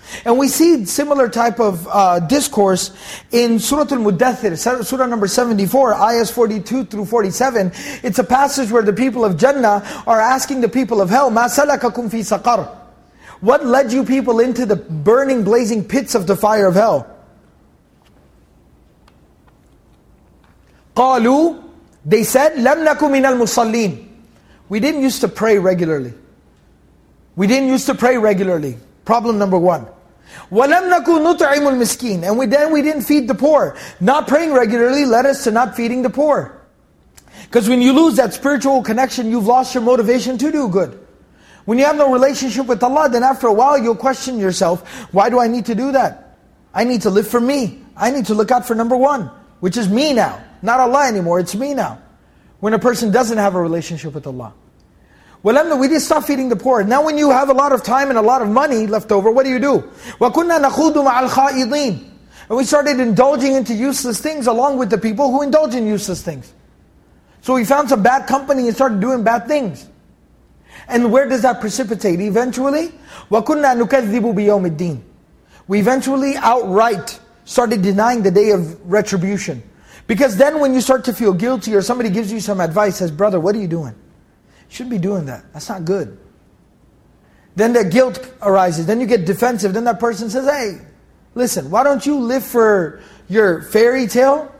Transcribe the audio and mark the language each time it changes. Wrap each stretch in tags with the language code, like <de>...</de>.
<en>And we see similar type of discourse in Surah Al-Muddathir, Surah number 74, Ayahs 42 through 47. It's a passage where the people of Jannah are asking the people of hell,</en> <ar>مَا سَلَكَكُمْ فِي سَقَرْ.</ar> <en>What led you people into the burning, blazing pits of the fire of hell?</en> <ar>قالوا,</ar> <en>they said,</en> <ar>لَمْ نَكُ مِنَ الْمُصَلِّينَ.</ar> <en>We didn't used to pray regularly. We didn't used to pray regularly. Problem number one.</en> <ar>وَلَمْ نَكُ نُطْعِمُ الْمِسْكِينَ.</ar> <en>And we didn't feed the poor. Not praying regularly led us to not feeding the poor. Because when you lose that spiritual connection, you've lost your motivation to do good. When you have no relationship with Allah, then after a while you'll question yourself, why do I need to do that? I need to live for me. I need to look out for number one, which is me now. Not Allah anymore, it's me now. When a person doesn't have a relationship with Allah.</en> <ar>وَلَمْنَا,</ar> <en>we didn't stop feeding the poor. Now when you have a lot of time and a lot of money left over, what do?</en> <ar>وَكُنَّا نَخُوضُ مَعَ الْخَائِضِينَ.</ar> <en>And we started indulging into useless things along with the people who indulge in useless things. So we found some bad company and started doing bad things. And where does that precipitate? Eventually,</en> <ar>وَكُنَّا نُكَذِّبُ بِيَوْمِ الدِّينِ.</ar> <en>We eventually outright started denying the day of retribution. Because then when you start to feel guilty or somebody gives you some advice, says, brother, what are you doing? You shouldn't be doing that. That's not good. Then the guilt arises. Then you get defensive. Then that person says, hey, listen, why don't you live for your fairy tale?</en>